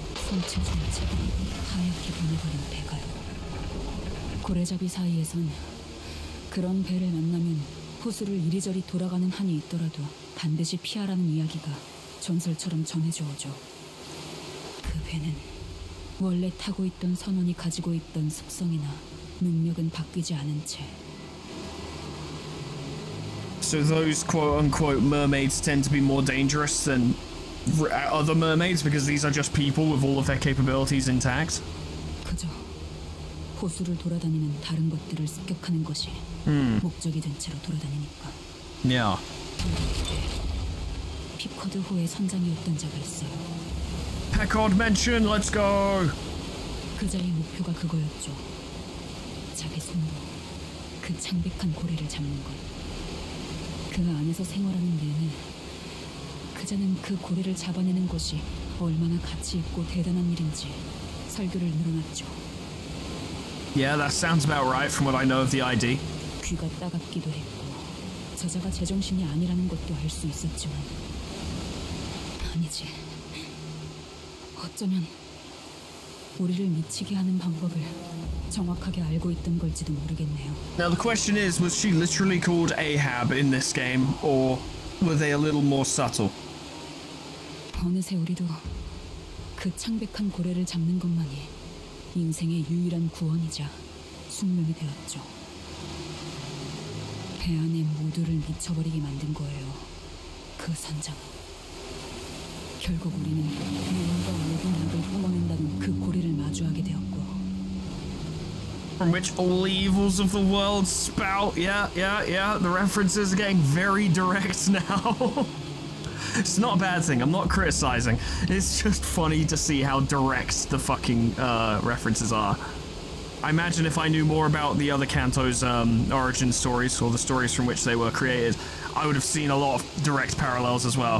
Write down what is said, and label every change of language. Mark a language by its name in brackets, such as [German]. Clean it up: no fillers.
[Korean] 성체조차 하얗게 변해버린 배가요. 고래잡이 사이에선 그런 배를 만나면 호수를 이리저리 돌아가는 한이 있더라도 반드시 피하라는 이야기가 전설처럼 전해져 오죠. 그 배는 원래 타고 있던 선원이 가지고 있던 속성이나 능력은 바뀌지 않은 채. [English] So those quote-unquote mermaids tend to be more dangerous than other mermaids because these are just people with all of their capabilities intact? [Korean] 그저 호수를 돌아다니는 다른 것들을 습격하는 것이 목적이 된 채로 돌아다니니까. [English] Yeah. [Korean] 피코드 호의 선장이었던 자가 있어요. [English] Peckard Mansion, let's go! [Korean] 그 자의 목표가 그거였죠. 자기 손으로 그 창백한 고래를 잡는 것. 그 안에서 생활하는 내내 그자는 그 고래를 잡아내는 것이 얼마나 가치 있고 대단한 일인지 설교를 늘어놨죠. [English] Yeah, that sounds about right from what I know of the ID. [Korean] 귀가 따갑기도 했고 저자가 제정신이 아니라는 것도 알 수 있었지만 아니지. 어쩌면 우리를 미치게 하는 방법을 정확하게 알고 있던 걸지도 모르겠네요. [English] Now the question is, was she literally called Ahab in this game, or were they a little more subtle? [Korean] 어느새 우리도 그 창백한 고래를 잡는 것만이 인생의 유일한 구원이자 숙명이 되었죠. 배 안에 모두를 미쳐버리게 만든 거예요. 그 선장. 결국 우리는 무언가 모든 악을 뿜어낸다는 그 고래를 마주하게 되었고. [English] From which all the evils of the world spout. Yeah, yeah, yeah. The references are getting very direct now. It's not a bad thing. I'm not criticizing. It's just funny to see how direct the fucking references are. I imagine if I knew more about the other Kanto's origin stories or the stories from which they were created, I would have seen a lot of direct parallels as well.